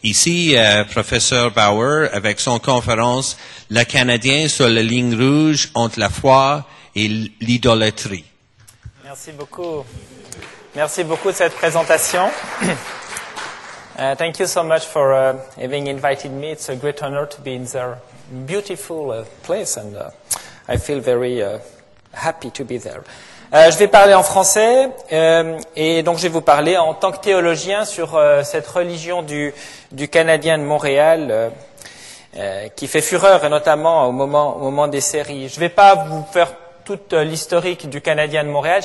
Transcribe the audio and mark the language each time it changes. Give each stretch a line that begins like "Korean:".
French: Ici, professeur Bauer, avec son conférence, Le Canadien sur la ligne rouge entre la foi et l'idolâtrie. Merci beaucoup. Merci beaucoup de cette présentation.
English: Thank you so much for having invited me. It's a great honor to be in their beautiful place, and I feel very happy to be there.
French: Je vais parler en français, et donc je vais vous parler en tant que théologien sur cette religion du Canadien de Montréal qui fait fureur, et notamment au moment des séries. Je ne vais pas vous faire toute l'historique du Canadien de Montréal.